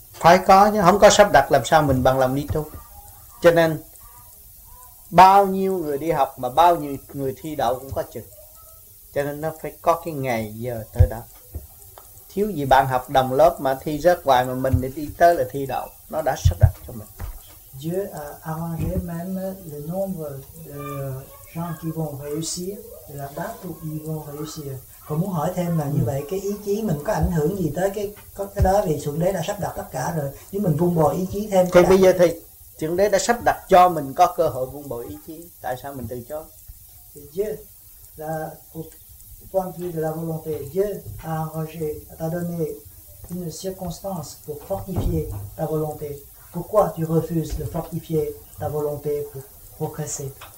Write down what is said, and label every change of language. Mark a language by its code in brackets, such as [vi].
[vi] Phải có chứ, không có sắp đặt làm sao mình bằng lòng đi tu? Cho nên bao nhiêu người đi học mà bao nhiêu người thi đậu cũng có chừng. Cho nên nó phải có cái ngày giờ tới đó. Thiếu gì bạn học đồng lớp mà thi rớt hoài mà mình đi tới là thi đậu, nó đã sắp đặt cho mình. [fr] Dieu a arrangé même le nombre de gens qui vont réussir, de la date où ils vont réussir. [vi] Còn muốn hỏi thêm là như vậy cái ý chí mình có ảnh hưởng gì tới cái đó, vì Thượng Đế đã sắp đặt tất cả rồi, nếu mình vun bồi ý chí thêm. Thì bây giờ thì Thượng Đế đã sắp đặt cho mình có cơ hội vun bồi ý chí, tại sao mình từ chối? [fr] Dieu là point de vue de la volonté, Dieu a arrangé, t'a donné une circonstance pour fortifier ta volonté. Pourquoi tu refuses de fortifier ta volonté pour progresser?